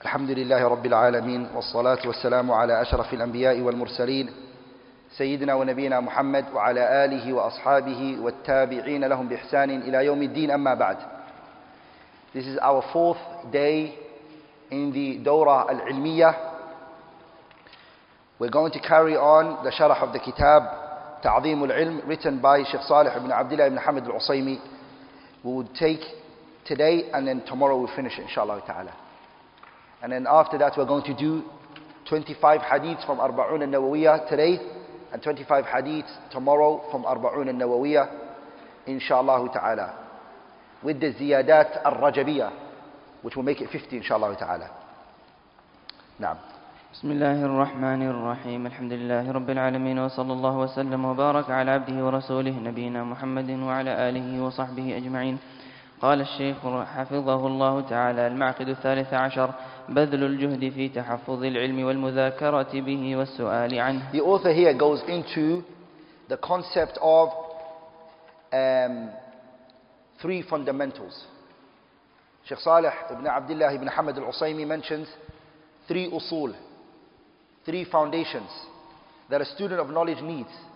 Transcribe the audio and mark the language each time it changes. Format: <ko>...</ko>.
<ar>الحمد لله رب العالمين والصلاة والسلام على أشرف الأنبياء والمرسلين سيدنا ونبينا محمد وعلى آله وأصحابه والتابعين لهم بإحسان إلى يوم الدين أما بعد.</ar> <en>This is our fourth day in the Dawrah Ilmiyyah. We're going to carry on the sharh of the kitab تعظيم العلم written by Sheikh Saleh ibn Abdullah ibn Hamad al-Usaymi. We would take today and then tomorrow we finish inshallah ta'ala. And then after that we're going to do 25 hadiths from Arba'un al-Nawawiyyah today and 25 hadiths tomorrow from Arba'un al-Nawawiyyah inshallah ta'ala with the ziyadat al-rajabiyyah which will make it 50 inshallah ta'ala.</en> <ar>Naam. بسم الله الرحمن الرحيم الحمد لله رب العالمين وصلى الله وسلم وبارك على عبده ورسوله نبينا محمد وعلى آله وصحبه أجمعين. قال الشيخ حفظه الله تعالى المعقد 13 بذل الجهد في تحفظ العلم والمذاكرة به والسؤال عنه.</ar> <en>The author here goes into the concept of three fundamentals. Sheikh Saleh ibn Abdullah ibn Hamad al-Usaymi mentions three usul, three foundations that a student of knowledge needs.</en>